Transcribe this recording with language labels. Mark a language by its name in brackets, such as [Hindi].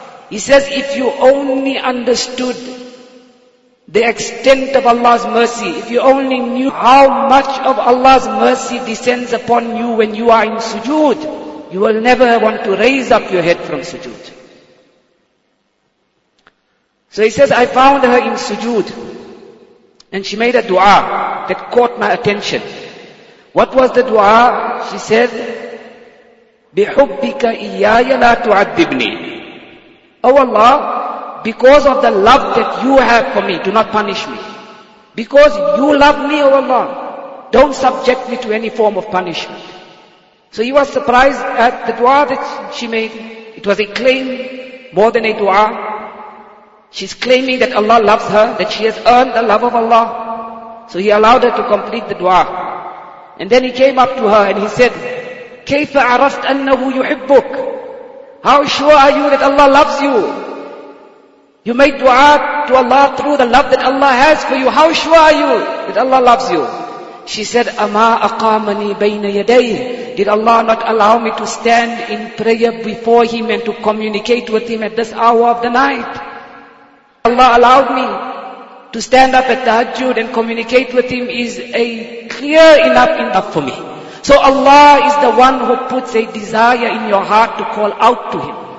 [English] He says, if you only understood the extent of Allah's mercy, if you only knew how much of Allah's mercy descends upon you when you are in sujood, you will never want to raise up your head from sujood. So he says, I found her in sujood, and she made a dua that caught my attention. What was the dua? She said, [Arabic] بِحُبِّكَ إِيَّايَ لَا تُعَدِّبْنِي. [English] Oh Allah, because of the love that you have for me, do not punish me. Because you love me, O Allah, don't subject me to any form of punishment. So he was surprised at the dua that she made. It was a claim more than a dua. She's claiming that Allah loves her, that she has earned the love of Allah. So he allowed her to complete the dua. And then he came up to her and he said, [Arabic] كَيْفَ عَرَفْتْ أَنَّهُ يُحِبُّكَ? [English] How sure are you that Allah loves you? You made dua to Allah through the love that Allah has for you. How sure are you that Allah loves you? She said, [Arabic] أَمَا أَقَامَنِي بَيْنَ يَدَيْهِ? [English] Did Allah not allow me to stand in prayer before Him and to communicate with Him at this hour of the night? Allah allowed me to stand up at tahajjud and communicate with Him is a clear enough for me. So Allah is the one who puts a desire in your heart to call out to Him.